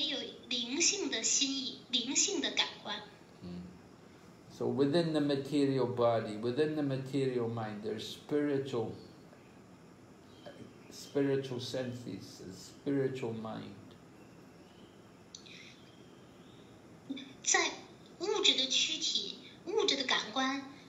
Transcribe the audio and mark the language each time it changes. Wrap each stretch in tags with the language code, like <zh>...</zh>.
<zh>我们应当明白，我们也有灵性的心意，灵性的感官。</zh> <en>So within the material body, within the material mind, there's spiritual senses, a spiritual mind.</en> <zh>在物质的躯体，物质的感官。</zh>